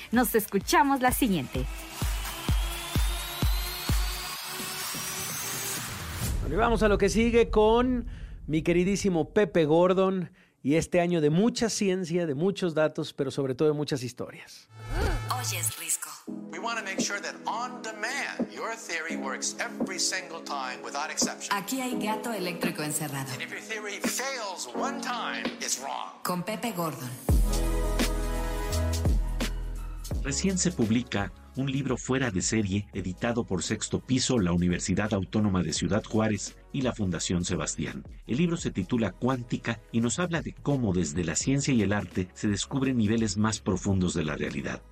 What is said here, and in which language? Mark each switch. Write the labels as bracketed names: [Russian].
[Spanish] Nos escuchamos la siguiente. Bueno, y vamos a lo que sigue con mi queridísimo Pepe Gordon y este año de mucha ciencia, de muchos datos, pero sobre todo de muchas historias. Oyes Risco. [English] We want to make sure that on demand your theory works every single time without exception. [Spanish] Aquí hay gato eléctrico encerrado. [English] And if your theory fails one time, it's wrong. [Spanish] Con Pepe Gordon. Recién se publica un libro fuera de serie editado por Sexto Piso, la Universidad Autónoma de Ciudad Juárez y la Fundación Sebastián. El libro se titula Cuántica y nos habla de cómo desde la ciencia y el arte se descubren niveles más profundos de la realidad.